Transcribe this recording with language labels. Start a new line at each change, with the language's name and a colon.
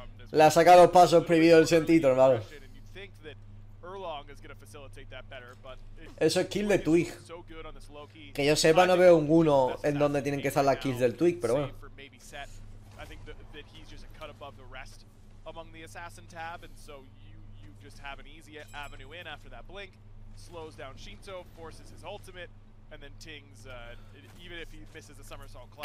Spanish: Le ha sacado pasos prohibidos el sentido, hermano.
English: Erlong is going to facilitate that better, but
Spanish: eso es kill de Twig. Que yo sepa no veo un uno en donde tienen que estar las kills del Twig, pero bueno.
English: I think that he's just a cut above the rest among the assassin tab, and so you just have an easy avenue in after that blink slows down Shinto, forces his ultimate, and then Ting's even if he misses a somersault clap.